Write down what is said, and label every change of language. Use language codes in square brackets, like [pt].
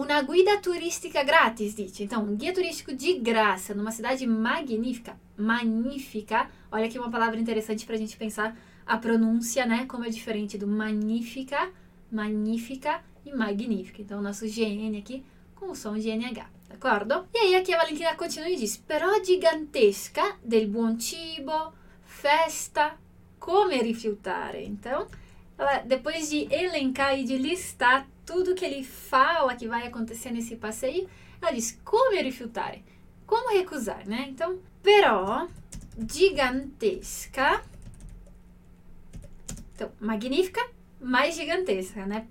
[it] Una guida turistica gratis, dice. [pt] Então, um guia turístico de graça numa cidade magnífica. Magnífica. Olha aqui uma palavra interessante pra gente pensar a pronúncia, né? Como é diferente do magnífica, magnífica e magnífica. Então, o nosso GN aqui com o som de NH. [it] D'accordo? [pt] E aí, aqui a Valentina continua e diz: [it] però gigantesca, del buon cibo, festa, come rifiutare? [pt] Então, ela, depois de elencar e de listar tudo que ele fala que vai acontecer nesse passeio, ela diz: [it] come rifiutare? [pt] Como recusar, né? Então, [it] però gigantesca. [pt] Então, magnífica, mais gigantesca, né?